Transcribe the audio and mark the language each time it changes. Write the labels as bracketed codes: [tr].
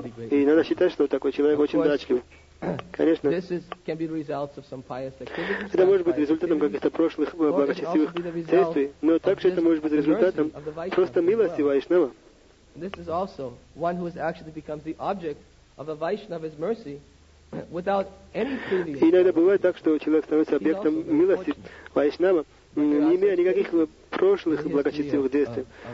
[ru] И надо считать, что такой человек очень удачлив. Конечно, это может быть результатом каких-то прошлых благочестивых действий, но также это может быть результатом просто милости Вайшнава. [en] This is also one who has actually become the object of a Vaishnava's mercy without any previous. [ru] Иногда бывает так, что человек становится объектом милости Вайшнава, не имея никаких прошлых благочестивых действий.